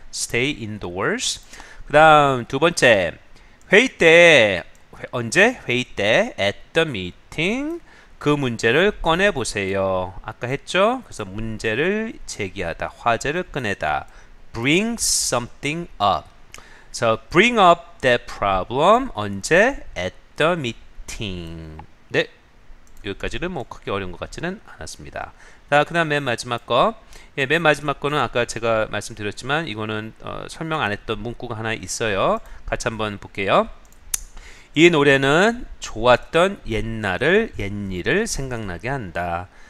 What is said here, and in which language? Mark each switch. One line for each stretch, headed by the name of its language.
English: Stay indoors.
Korean: 그다음 두 번째, 회의 때 언제? 회의 때
English: at the meeting
Korean: 그 문제를 꺼내 보세요. 아까 했죠? 그래서 문제를 제기하다, 화제를 꺼내다,
English: bring something up. So, bring up that problem
Korean: 언제?
English: At the meeting.
Korean: 네, 여기까지는 뭐 크게 어려운 것 같지는 않았습니다. 자, 그 다음 맨 마지막 거. 예, 맨 마지막 거는 아까 제가 말씀드렸지만 이거는 설명 안 했던 문구가 하나 있어요. 같이 한번 볼게요. 이 노래는 좋았던 옛날을, 옛일을 생각나게 한다.